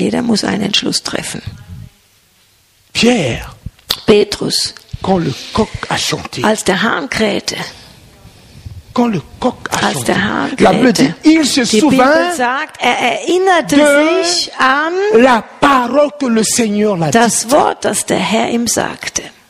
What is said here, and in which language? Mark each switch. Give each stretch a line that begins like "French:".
German: Jeder muss einen Entschluss treffen.
French: Pierre.
German: Petrus.
French: Quand le coq a chanté,
German: als der Hahn krähte.
French: Quand le coq a
German: Als
French: chanté,
German: der Hahn
French: la Bible dit, il se souvint
German: sagt, er erinnerte sich an
French: la parole que le Seigneur l'a dit.
German: Das Wort, das der Herr ihm sagte.